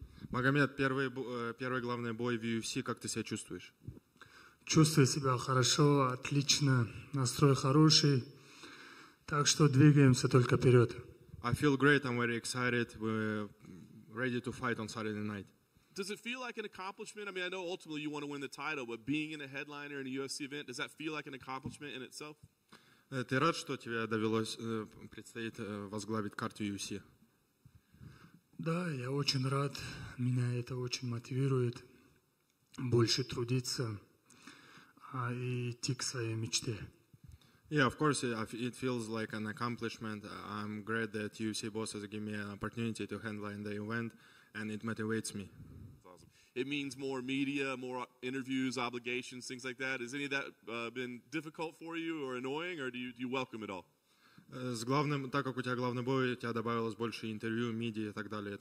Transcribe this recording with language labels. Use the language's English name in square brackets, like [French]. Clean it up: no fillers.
[Russian] Магомед, первый главный бой в UFC. Как ты себя чувствуешь? Чувствую себя хорошо, отлично. Настрой хороший. Так что двигаемся только вперед. [English] I feel great. I'm very excited. We're ready to fight on Saturday night. Does it feel like an accomplishment? I mean, I know ultimately you want to win the title, but being in a headliner in a UFC event, does that feel like an accomplishment in itself? [Russian] Ты рад, что тебе довелось предстоит возглавить карту UFC? Да, я очень рад. Меня это очень мотивирует больше трудиться и идти к своей мечте. [English] Yeah, of course, it feels like an accomplishment. I'm glad that UFC bosses give me an opportunity to headline the event, and it motivates me. Awesome. It means more media, more interviews, obligations, things like that. Has any of that been difficult for you or annoying, or do you welcome it all? [Russian] С главным, так как у тебя главный бой, у тебя добавилось больше интервью, медиа и так далее.